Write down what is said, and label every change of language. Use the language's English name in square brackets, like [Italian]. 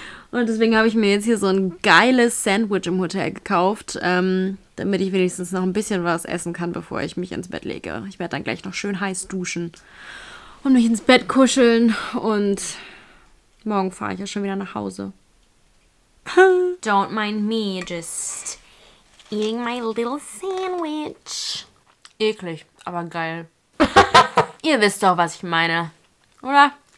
[German] Und deswegen habe ich mir jetzt hier so ein geiles Sandwich im Hotel gekauft, damit ich wenigstens noch ein bisschen was essen kann, bevor ich mich ins Bett lege. Ich werde dann gleich noch schön heiß duschen und mich ins Bett kuscheln. Und morgen fahre ich ja schon wieder nach Hause. [English] Don't mind me, just eating my little sandwich. [German] Eklig, aber geil. Ihr wisst doch, was ich meine, oder?